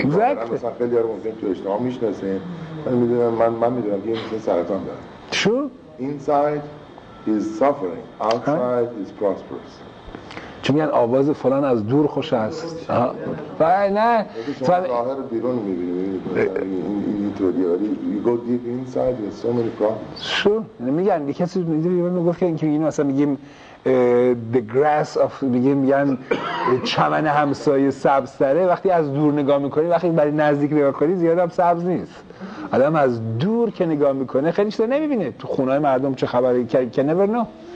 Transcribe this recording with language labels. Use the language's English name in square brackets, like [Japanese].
[English] exactly. [Persian] مثلا خیلی یارو ممکن تو اجتماع میشناسین من میدونم که این سرطان داره شو [English] Inside is suffering. Outside is prosperous. [Persian] چون میگن آواز فلان از دور خوش است. بله نه. شما ظاهر بیرون میبینیم. اینطوری ولی [English] you go deep inside with so many problems. Sure. [Persian] میگن یه کسی میدونی من گفت که اینکه مثلا میگیم [English] the grass of [Persian] میگیم یعنی چمن همسایه سبزتره، وقتی از دور نگاه میکنی، وقتی برای نزدیک نگاه کنی زیاد هم سبز نیست. آدم از دور که نگاه میکنه خیلی چیزا نمیبینه. تو خونه‌های مردم چه خبره؟ [English] can never know.